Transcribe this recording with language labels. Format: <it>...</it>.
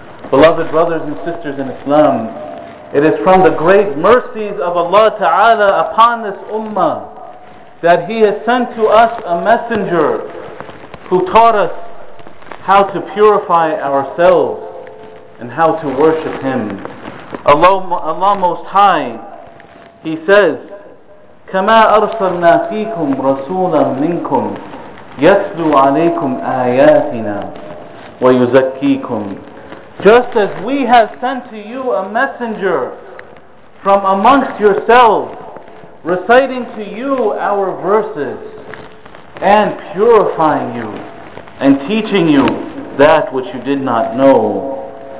<en>Beloved brothers and sisters in Islam, it is from the great mercies of Allah Ta'ala upon this ummah that He has sent to us a messenger who taught us how to purify ourselves and how to worship Him. Allah Most High, He says,</en> <ar>كَمَا أَرْسَلْنَا فِيكُمْ رَسُولًا مِّنْكُمْ يَتْلُوا عَلَيْكُمْ آيَاتِنَا وَيُزَكِّيكُمْ.</ar> <en>Just as we have sent to you a messenger from amongst yourselves, reciting to you our verses and purifying you and teaching you that which you did not know.</en>